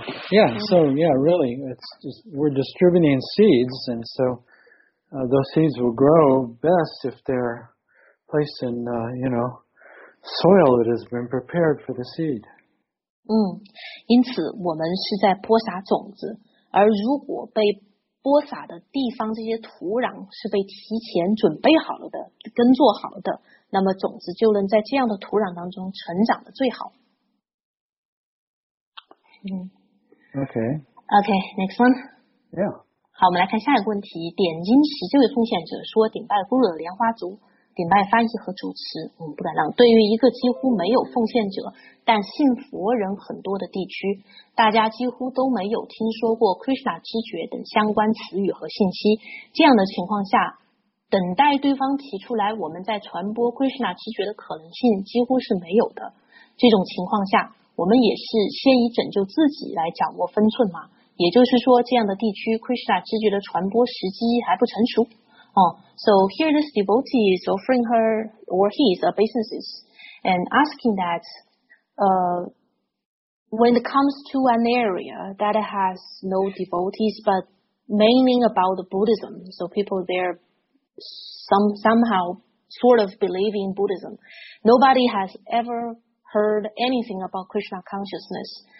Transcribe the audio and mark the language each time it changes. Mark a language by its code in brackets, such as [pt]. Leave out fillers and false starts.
[en] Yeah, really, it's just we're distributing seeds, and so those seeds will grow best if they're placed in, you know, soil that has been prepared for the seed. [zh] 因此我们是在播撒种子，而如果被播撒的地方这些土壤是被提前准备好了的，耕作好的，那么种子就能在这样的土壤当中成长的最好。 [en] Okay, next one. Yeah. [zh] 好，我们来看下一个问题。点睛十这位奉献者说，顶拜咕噜的莲花族，顶拜翻译和主持，我们不敢当。对于一个几乎没有奉献者但信佛人很多的地区，大家几乎都没有听说过 Krishna 知觉等相关词语和信息，这样的情况下等待对方提出来我们在传播 Krishna 知觉的可能性几乎是没有的。这种情况下我们也是先以拯救自己来掌握分寸嘛，也就是说这样的地区 Krishna 知觉的传播时机还不成熟。 [en] So here this devotee is offering her or his obeisances and asking that when it comes to an area that has no devotees but mainly about the Buddhism, so people there somehow sort of believe in Buddhism, nobody has ever heard anything about Krishna consciousness.